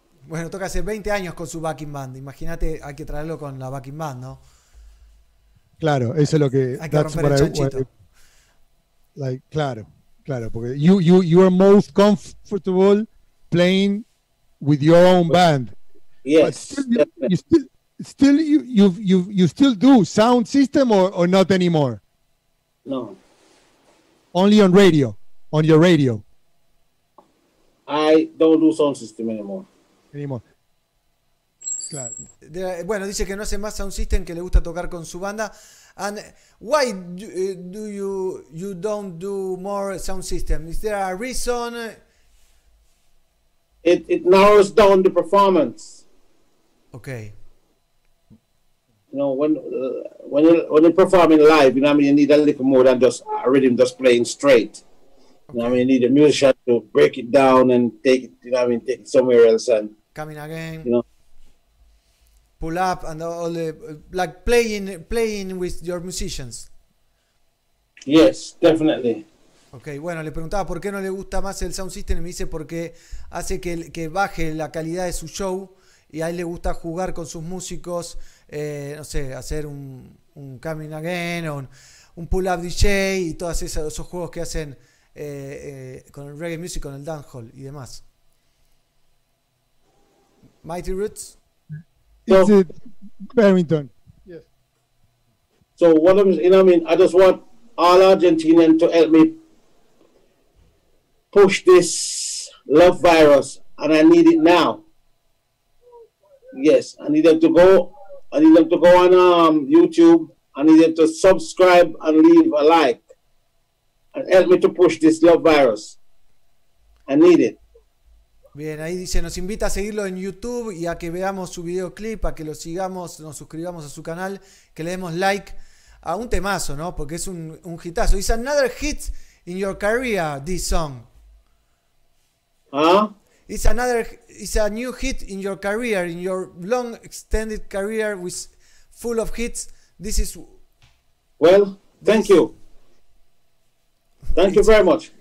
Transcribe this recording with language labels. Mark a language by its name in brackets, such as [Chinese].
[Spanish] Bueno, toca hace 20 años con su backing band. Imagínate, hay que traerlo con la backing band, ¿no? Claro, eso es lo que... Hay que romper el chanchito. Claro, porque [English] you are most comfortable playing with your own band. Yes. You still do sound system or not anymore? No. Only on radio, on your radio. I don't do sound system anymore. [Spanish] Claro. Bueno, dice que no hace más sound system, que le gusta tocar con su banda. [English] And why do you don't do more sound system? Is there a reason? It narrows down the performance. Okay. You know, when you're performing live, you know what I mean, you need a little more than just a rhythm, just playing straight. Okay. You know what I mean, you need a musician to break it down and take it, you know what I mean, take it somewhere else and coming again. You know. Pull up and all the like playing with your musicians. Yes, definitely. [Spanish] Okay, bueno, le preguntaba por qué no le gusta más el sound system y me dice porque hace que baje la calidad de su show y a él le gusta jugar con sus músicos, no sé, hacer un coming again o un pull up DJ y todos esos juegos que hacen con el reggae music, con el dancehall y demás. [English] Mighty Roots. Is it Barrington? Yes. So what I'm, you know, I mean, I just want all Argentinians to help me push this love virus, and I need it now. Yes, I need them to go on YouTube. I need them to subscribe and leave a like, and help me to push this love virus. I need it. [Spanish] Bien, ahí dice, nos invita a seguirlo en YouTube y a que veamos su videoclip, a que lo sigamos, nos suscribamos a su canal, que le demos like a un temazo, ¿no? Porque es un hitazo. [English] It's another hit in your career, this song. ¿Ah? It's a new hit in your career, in your long extended career with full of hits. This is... Well, thank you. Thank you very much.